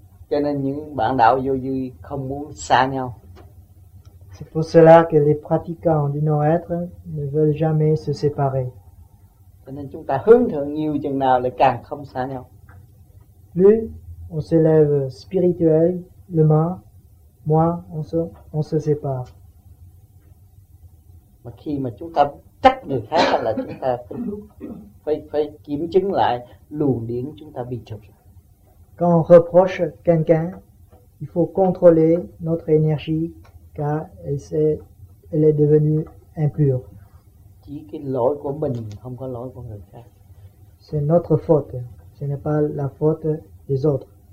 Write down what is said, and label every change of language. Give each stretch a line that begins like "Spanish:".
Vietnamese: Cho nên những bạn đạo vô vi không muốn xa nhau.
French: C'est pour cela que les pratiquants du non-être ne veulent jamais se séparer.
Vietnamese: Cho nên chúng ta hướng thượng nhiều chừng nào lại càng không xa nhau.
French: Plus on s'élève spirituellement, moins on se sépare.
Vietnamese: Mà khi mà chúng ta trách người khác là chúng ta phải kiểm chứng lại luồng điển chúng ta bị trục.
French: Quand on reproche quelqu'un, il faut contrôler notre énergie car elle est devenue impure.
Vietnamese: Chỉ cái lỗi của mình, không có lỗi của người khác.
French: C'est notre faute, ce n'est pas la faute des autres.